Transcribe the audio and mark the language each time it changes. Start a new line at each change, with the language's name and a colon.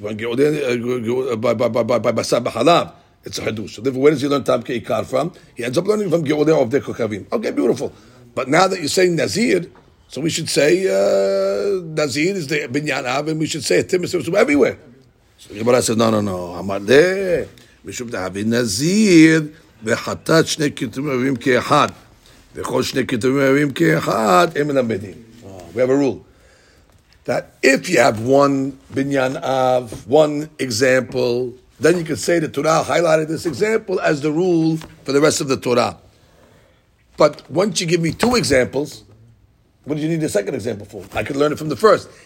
English: By Basar B'Halav, it's a Hiddush. So where does he learn Tam Keikar from? He ends up learning from Geodeh of Deko Kavim. Okay, beautiful. But now that you're saying Nazir, so we should say Nazir is the Binyan Av, and we should say Tim is everywhere. So Yibara says, no, I'm not there.
Hebrew: משום דהבי נזיר וחטאת שני כתובים ערבים כאחד וכל שני כתובים ערבים כאחד הם מלמדים.
English: We have a rule that if you have one binyan av, one example, then you can say the Torah highlighted this example as the rule for the rest of the Torah. But once you give me two examples, what do you need the second example for? I could learn it from the first.